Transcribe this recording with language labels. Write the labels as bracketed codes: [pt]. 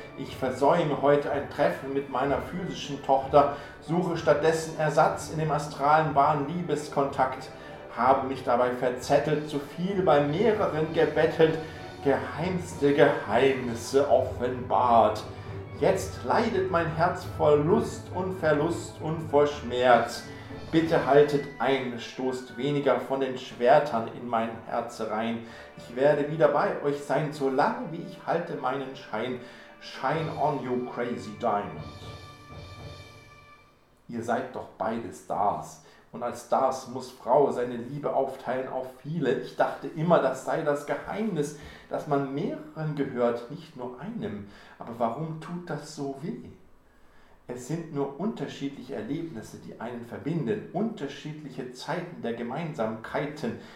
[de] Ich versäume heute ein Treffen mit meiner physischen Tochter, suche stattdessen Ersatz in dem astralen wahren Liebeskontakt, habe mich dabei verzettelt, zu viel bei mehreren gebettelt, geheimste Geheimnisse offenbart. Jetzt leidet mein Herz vor Lust und Verlust und vor Schmerz. Bitte haltet ein, stoßt weniger von den Schwertern in mein Herz rein. Ich werde wieder bei euch sein, solange wie ich halte meinen Schein. [en] Shine on, you crazy diamond. [de] Ihr seid doch beide Stars. Und als Stars muss Frau seine Liebe aufteilen auf viele. Ich dachte immer, das sei das Geheimnis, dass man mehreren gehört, nicht nur einem. Aber warum tut das so weh? Es sind nur unterschiedliche Erlebnisse, die einen verbinden, unterschiedliche Zeiten der Gemeinsamkeiten.